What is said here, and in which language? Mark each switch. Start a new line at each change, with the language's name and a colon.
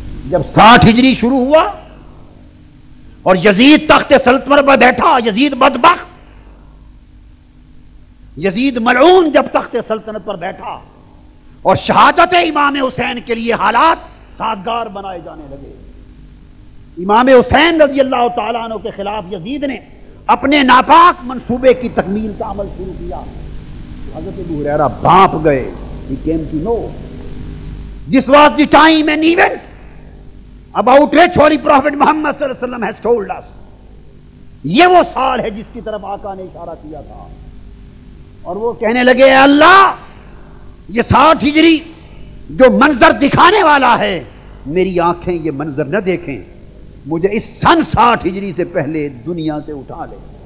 Urdu: جب 60 ہجری شروع ہوا اور یزید تخت سلطنت پر بیٹھا، یزید بدبخت، یزید ملعون جب تخت سلطنت پر بیٹھا اور شہادت امام حسین کے لیے حالات سازگار بنائے جانے لگے، امام حسین رضی اللہ تعالیٰ عنہ کے خلاف یزید نے اپنے ناپاک منصوبے کی تکمیل کا عمل شروع کیا، حضرت ابو ہریرہ بھاپ گئے.
English: He came to know this was the time and event about which Holy Prophet Muhammad صلی اللہ علیہ وسلم has told us.
Urdu: یہ وہ سال ہے جس کی طرف آقا نے اشارہ کیا تھا، اور وہ کہنے لگے اے اللہ یہ 60 ہجری جو منظر دکھانے والا ہے، میری آنکھیں یہ منظر نہ دیکھیں، مجھے اس سن 60 ہجری سے پہلے دنیا سے اٹھا لے.